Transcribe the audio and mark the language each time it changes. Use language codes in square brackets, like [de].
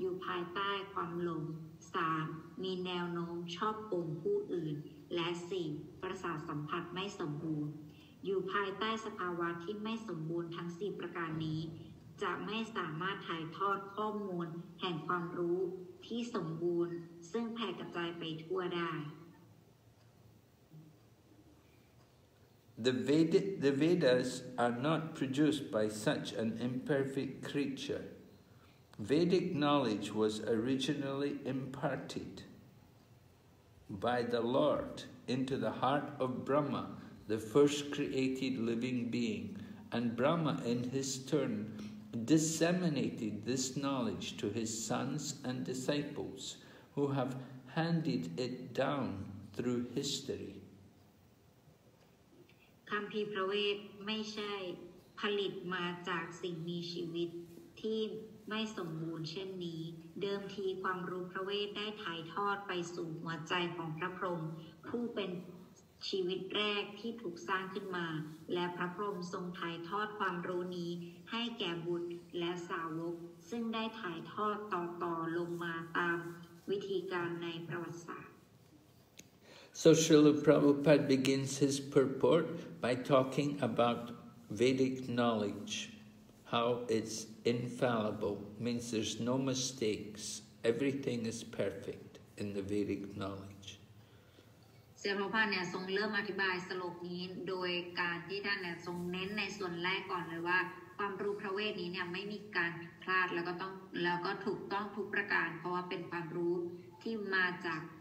[th] อยู่ภายใต้ความหลง 3. มีแนวโน้มชอบโกงผู้อื่นและ 4. ประสาทสัมผัสไม่สมบูรณ์อยู่ภายใต้สภาวะที่ไม่สมบูรณ์ทั้ง4ประการนี้จะไม่สามารถถ่ายทอดข้อมูลแห่งความรู้ที่สมบูรณ์ซึ่งแผ่กระจายไปทั่วได้ [en] the Vedas are not produced by such an imperfect creature. Vedic knowledge was originally imparted by the Lord into the heart of Brahma, the first created living being, and Brahma in his turn disseminated this knowledge to his sons and disciples, who have handed it down through history. [th] คำพีพระเวทไม่ใช่ผลิตมาจากสิ่งมีชีวิตที่ไม่สมบูรณ์เช่นนี้เดิมทีความรู้พระเวทได้ถ่ายทอดไปสู่หัวใจของพระพรหมผู้เป็นชีวิตแรกที่ถูกสร้างขึ้นมาและพระพรหมทรงถ่ายทอดความรู้นี้ให้แก่บุตรและสาวกซึ่งได้ถ่ายทอดต่อลงมาตามวิธีการในประวัติศาสตร์ [en] So Srila Prabhupada begins his purport by talking about Vedic knowledge, how it's infallible, means there's no mistakes, everything is perfect in the Vedic knowledge. [th] ศรีพระเนี่ยทรงเริ่มอธิบายสโลกนี้โดยการที่ท่านเนี่ยทรงเน้นในส่วนแรกก่อนเลยว่าความรู้พระเวทนี้เนี่ยไม่มีการพลาดแล้วก็ต้องแล้วก็ถูกต้องทุกประการเพราะว่าเป็นความรู้ที่มาจาก